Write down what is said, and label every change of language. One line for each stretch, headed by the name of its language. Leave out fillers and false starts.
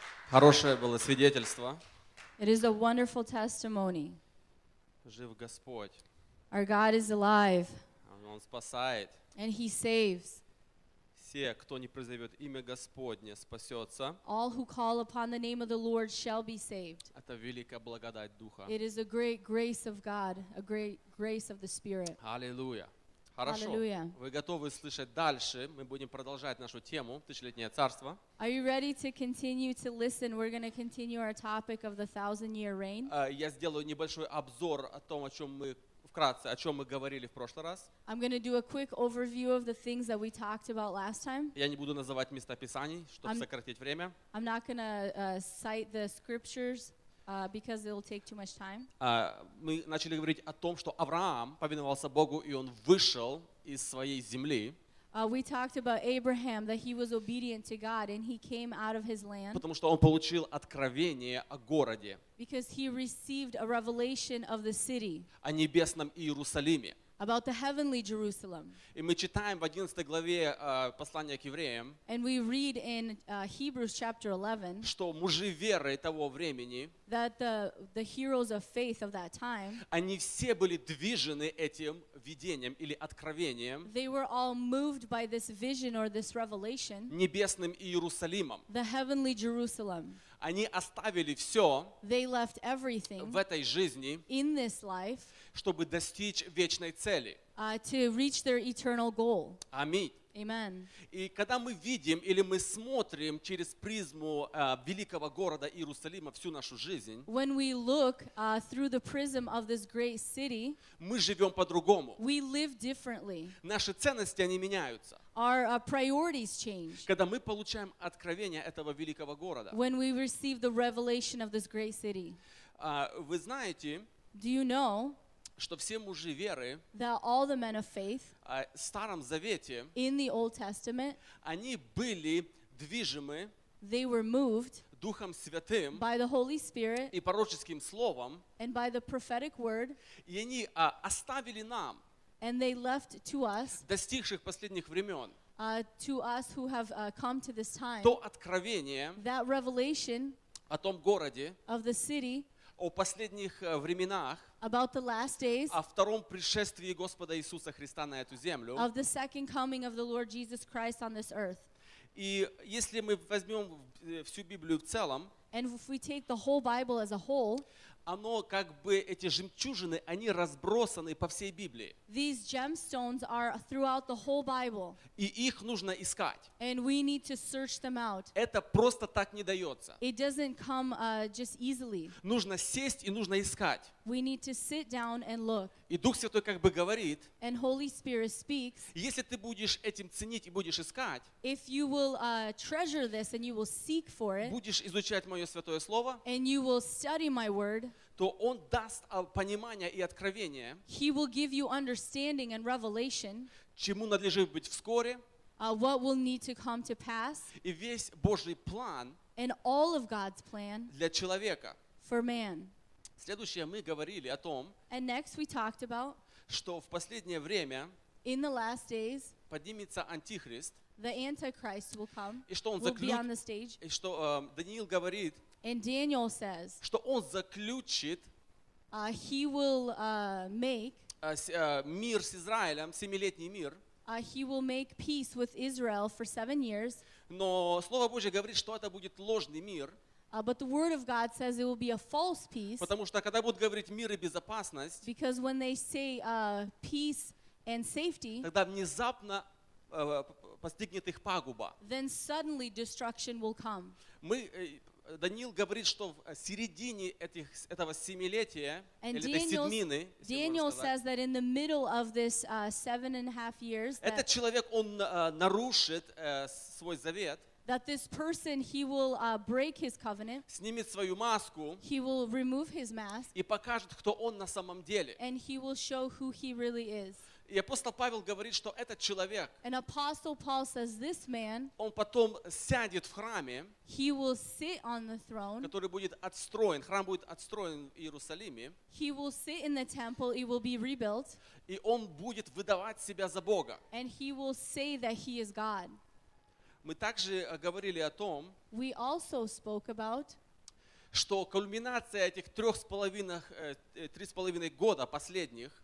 Russian: Хорошее было свидетельство.
English: It is a wonderful testimony.
Russian: Жив Господь.
English: Our God is alive.
Russian: Он спасает.
English: And He saves.
Russian: Все, кто не призовет имя Господне, спасется.
English: All who call upon the name of the Lord shall be saved.
Russian: Это великая благодать Духа.
English: It is a great grace of God, a great grace of the Spirit.
Russian: Аллилуйя. Хорошо. Hallelujah. Вы готовы слышать дальше? Мы будем продолжать нашу тему «Тысячелетнее царство».
English: Are you ready to continue to listen? We're going to continue our topic of the thousand-year reign.
Russian: Я сделаю небольшой обзор о том, о чем мы вкратце, о чем мы говорили в прошлый раз.
English: I'm going to do a quick overview of the things that we talked about last time.
Russian: Я не буду называть места писаний, чтобы сократить время.
English: I'm not going to cite the scriptures. Because it will take too much time.
Russian: Мы начали говорить о том, что Авраам повиновался Богу, и он вышел из своей земли.
English: We talked about Abraham, that he was obedient to God, and he came out of his land.
Russian: Потому что он получил откровение о городе.
English: Because he received a revelation of the city.
Russian: О небесном Иерусалиме.
English: About the heavenly Jerusalem.
Russian: И мы читаем в 11 главе послания к евреям.
English: And we read in Hebrews chapter 11.
Russian: Что мужи веры того времени.
English: That the heroes of faith of that time.
Russian: Они все были движены этим видением или откровением.
English: They were all moved by this vision or this revelation.
Russian: Небесным Иерусалимом.
English: The heavenly Jerusalem.
Russian: Они оставили все
English: they left everything
Russian: в этой жизни
English: in this life,
Russian: чтобы достичь вечной цели.
English: to reach their eternal goal.
Russian: Аминь.
English: Amen.
Russian: И когда мы видим или мы смотрим через призму великого города Иерусалима всю нашу жизнь,
English: when we look through the prism of this great city,
Russian: мы живем по-другому.
English: We live differently.
Russian: Наши ценности, они меняются.
English: Our priorities change.
Russian: Когда мы получаем откровение этого великого города,
English: when we receive the revelation of this great city,
Russian: вы знаете,
English: do you know,
Russian: что все мужи веры,
English: that all the men of faith,
Russian: в Старом Завете,
English: in the Old Testament,
Russian: они были движимы,
English: they were moved,
Russian: Духом Святым,
English: by the Holy Spirit,
Russian: и пророческим словом,
English: and by the prophetic word,
Russian: и они оставили нам,
English: and they left to us,
Russian: достигших последних времен,
English: to us who have come to this time,
Russian: то откровение,
English: that revelation,
Russian: о том городе,
English: of the city,
Russian: о последних временах,
English: about the last days,
Russian: о втором пришествии Господа Иисуса Христа на эту землю,
English: of the second coming of the Lord Jesus Christ on this earth.
Russian: И если мы возьмем всю Библию в целом,
English: and if we take the whole Bible as a whole,
Russian: оно как бы, эти жемчужины, они разбросаны по всей Библии.
English: These gemstones are throughout the whole Bible.
Russian: И их нужно искать.
English: And we need to search them out.
Russian: Это просто так не дается.
English: It doesn't come just easily.
Russian: Нужно сесть и нужно искать.
English: We need to sit down and look.
Russian: И Дух Святой как бы говорит,
English: and Holy Spirit speaks,
Russian: если ты будешь этим ценить и будешь искать,
English: if you will treasure this and you will seek for it,
Russian: будешь изучать мое святое слово,
English: and you will study my word,
Russian: то Он даст понимание и откровение,
English: he will give you understanding and revelation,
Russian: чему надлежит быть вскоре,
English: what will need to come to pass,
Russian: и весь Божий план,
English: and all of God's plan,
Russian: для человека,
English: for man.
Russian: Следующее, мы говорили о том,
English: and next we talked about,
Russian: что в последнее время,
English: in the last days,
Russian: поднимется Антихрист,
English: the Antichrist will come,
Russian: и что он заключит, и что Даниил говорит,
English: and Daniel says,
Russian: что он заключит,
English: he will make,
Russian: мир с Израилем, семилетний мир,
English: he will make peace with Israel for 7 years,
Russian: но Слово Божие говорит, что это будет ложный мир,
English: But the word of God says it will be a false peace.
Russian: Потому что когда будут говорить мир и безопасность,
English: because when they say peace and safety,
Russian: тогда внезапно постигнет их пагуба.
English: Then suddenly destruction will come.
Russian: Мы Даниил говорит, что в середине этого семилетия или этой седмины,
English: Daniel says that in the middle of this 7.5 years,
Russian: этот человек он нарушит свой завет.
English: That this person, he will break his covenant.
Russian: Снимет свою маску.
English: He will remove his mask.
Russian: И покажет, кто он на самом деле.
English: And he will show who he really is.
Russian: И апостол Павел говорит, что этот человек,
English: and Apostle Paul says this man,
Russian: он потом сядет в храме,
English: he will sit on the throne,
Russian: который будет отстроен, храм будет отстроен в Иерусалиме,
English: he will sit in the temple, it will be rebuilt,
Russian: и он будет выдавать себя за Бога,
English: and he will say that he is God.
Russian: Мы также говорили о том,
English: we also spoke about,
Russian: что кульминация этих 3.5 года последних,